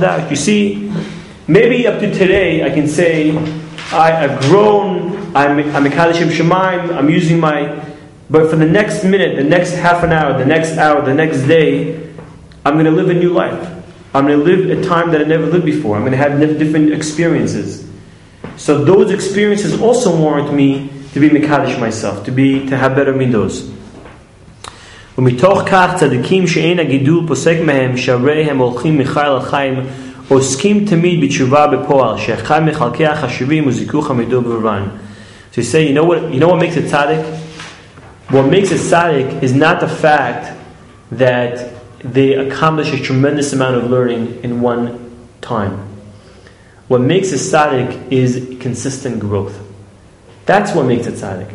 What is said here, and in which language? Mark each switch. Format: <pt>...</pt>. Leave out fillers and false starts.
<en>You see, maybe up to today I can say I've grown, I'm a Kaddish Shem Shemaim, I'm using my, but for the next minute, the next half an hour, the next day, I'm going to live a new life. I'm going to live a time that I never lived before. I'm going to have different experiences. So those experiences also warrant me to be Mekadosh myself, to have better midos.</en> <he>ומתוך כך צדיקים שאין הגידול פוסק מהם שהרי הם הולכים מחי לחיים עוסקים תמיד בתשובה בפועל שאחד מחלקי החשובים הוא זיכוך המידו ברבן.</he> <en>So you say, you know what makes a tzaddik? What makes a tzaddik is not the fact that they accomplish a tremendous amount of learning in one time. What makes a tzaddik is consistent growth. That's what makes a tzaddik.</en>